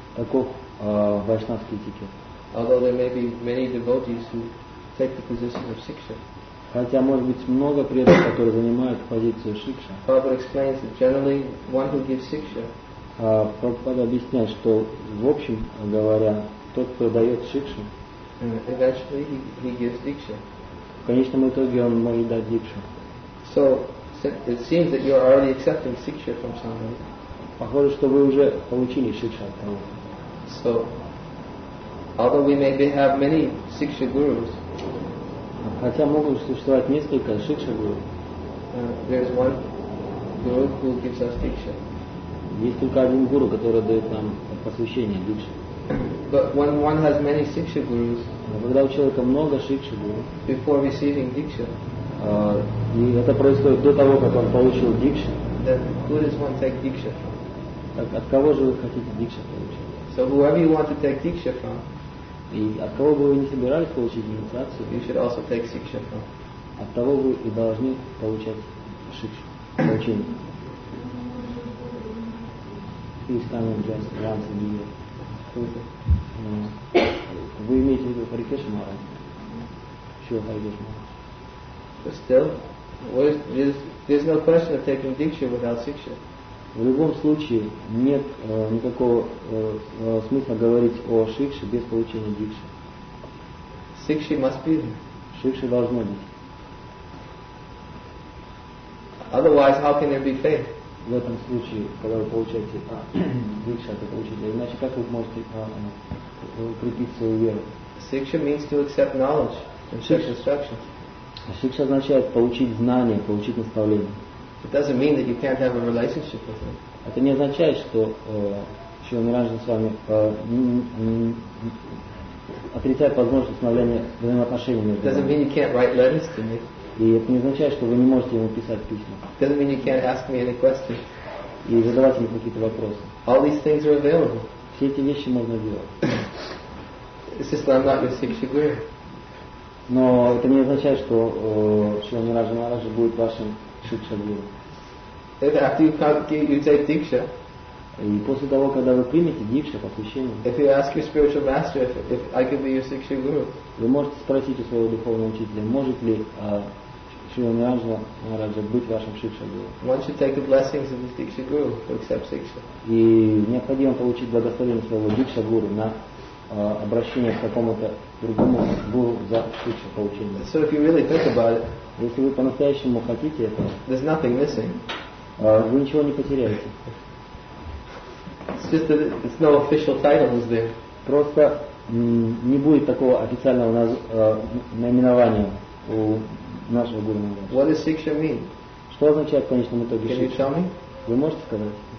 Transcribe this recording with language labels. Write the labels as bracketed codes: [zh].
[ru] Таков вайшнавский этикет. [en] Although there may be many devotees who take the position of Shiksha. [ru] Хотя может быть много преданных, которые занимают позицию Shiksha. [en] Prabhupada explains that generally one who gives Shiksha. [ru] Прабхупада объясняет, что в общем говоря, тот, кто дает шикшу, [en] eventually he gives дикшу. [ru] В конечном итоге он может дать дикшу. [en] So it seems that you are already accepting шикшу from somebody. [ru] Похоже, что вы уже получили шикшу от кого-то. [en] So although we may have many шикшу gurus, [ru] хотя могут существовать несколько шикшу гуру, [en] there is one guru who gives us дикшу. [ru] Есть только один гуру, который дает нам посвящение дикшу. [en] But when one has many Shiksha Gurus, [ru] когда у человека много Shiksha Gurus, [en] before receiving Diksha, [ru] и это происходит до того, как он получил Diksha, [en] then who does one take Diksha from? [ru] Так от кого же вы хотите Diksha получить? [en] So whoever you want to take Diksha from, [ru] и от кого бы вы не собирались получить инициацию, [en] you should also take Shiksha from. [ru] От того вы и должны получать Shiksha, получение. [en] He's coming just once a year. [ru] Вы имеете в виду [en] Hare Krishna Maharaj? Sure, Hare Krishna Maharaj. But still, there's no question of taking Diksha without Shiksha. [ru] В любом случае, нет никакого смысла говорить о Шикше без получения Дикши. [en] Shiksha must be there. [ru] Шикша должна быть. [en] Otherwise, how can there be faith? [ru] В этом случае, когда вы получаете дикшу, это получите. Иначе как вы можете укрепить свою веру? [en] Сикша means to accept knowledge and accept instructions. [ru] Сикша означает получить знания, получить наставление. [en] It doesn't mean that you can't have a relationship with him. [ru] Это не означает, что Шрила Ниранджана с вами отрицает возможность установления взаимоотношений между вами. [en] It doesn't mean you can't write letters to me. [ru] И это не означает, что вы не можете ему писать письма. [en] Doesn't mean you can't ask me any questions. [ru] И задавать ему какие-то вопросы. [en] All these things are available. [ru] Все эти вещи можно делать. [en] It's just that I'm not your Shiksha Guru. [ru] Но это не означает, что Шрила Ниранджана Махараджа будет вашим Shiksha Guru. [en] After you take Diksha. [ru] И после того, когда вы примете дикшу, посвящение, [en] if you ask your spiritual master if I could be your Shiksha Guru, [ru] вы можете спросить у своего духовного учителя, может ли Шрила Ниранджана Махараджа быть вашим Shiksha Guru. [en] Once you take the blessings of this Shiksha Guru to accept Shiksha. [ru] И необходимо получить благословение своего Shiksha Guru на обращение к какому-то другому гуру за Shiksha получение. [en] So if you really think about it, [ru] если вы по-настоящему хотите этого, [en] there's nothing missing. [ru] Вы ничего не потеряете. [en] It's just that it's no official title is there. [ru] Просто не будет такого официального наименования у нашего гуру. [en] What does Shiksha mean? [ru] Что означает в конечном итоге [en] Shiksha? Can you tell me? [ru] Вы можете сказать?